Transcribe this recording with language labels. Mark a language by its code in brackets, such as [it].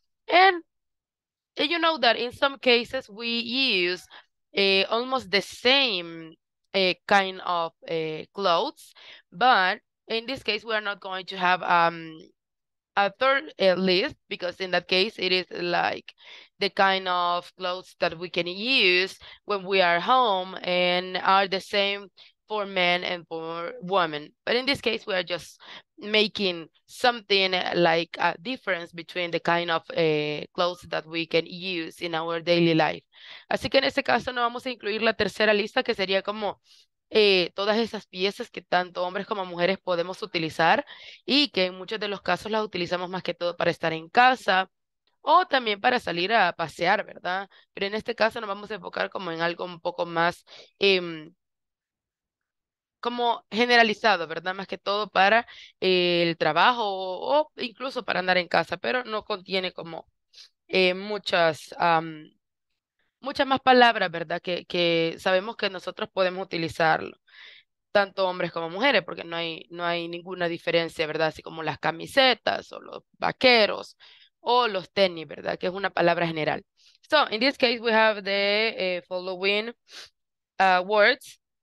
[en] And you know that in some cases we use almost the same kind of clothes, but in this case we are not going to have a third list, because in that case it is like the kind of clothes that we can use when we are home and are the same for men and for women. But in this case, we are just making something like a difference between the kind of clothes that we can use in our daily life. [es] Así que en este caso no vamos a incluir la tercera lista, que sería como todas esas piezas que tanto hombres como mujeres podemos utilizar y que en muchos de los casos las utilizamos más que todo para estar en casa o también para salir a pasear, ¿verdad? Pero en este caso nos vamos a enfocar como en algo un poco más como generalizado, ¿verdad? Más que todo para el trabajo o incluso para andar en casa, pero no contiene como muchas más palabras, ¿verdad? Que sabemos que nosotros podemos utilizarlo, tanto hombres como mujeres, porque no hay ninguna diferencia, ¿verdad? Así como las camisetas o los vaqueros o los tenis, ¿verdad? Que es una palabra general. [en] So, in this case, we have the following words.